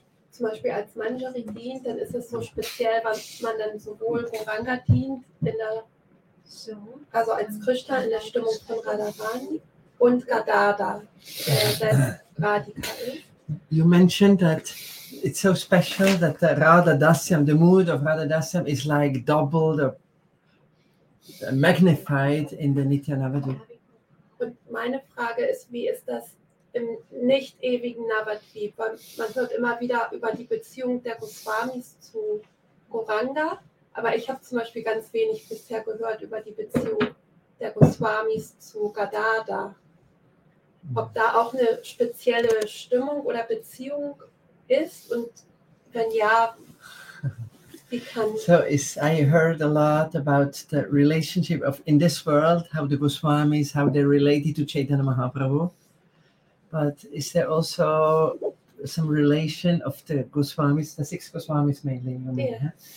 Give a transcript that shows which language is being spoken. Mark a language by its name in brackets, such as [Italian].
[German] Zum Beispiel als Manjari dient, dann ist es so speziell, weil man dann sowohl Goranga dient, in der, also als Krishna in der Stimmung von Radharani und Gadada, der selbst Radhika ist. [English] You mentioned that it's so special that the Radhadasyam, the mood of Radhadasyam is like doubled or magnified in the Nitya Navadvip. [German] Und meine Frage ist, wie ist das im nicht ewigen Navadvip? Man hört immer wieder über die Beziehung der Goswamis zu Goranga, aber ich habe zum Beispiel ganz wenig bisher gehört über die Beziehung der Goswamis zu Gadada. Ob da auch eine spezielle Stimmung oder Beziehung ist und wenn ja, [English] so is, I heard a lot about the relationship of in this world, how the Goswamis, how they're related to Chaitanya Mahaprabhu. But is there also some relation of the Goswamis, the six Goswamis mainly, yeah,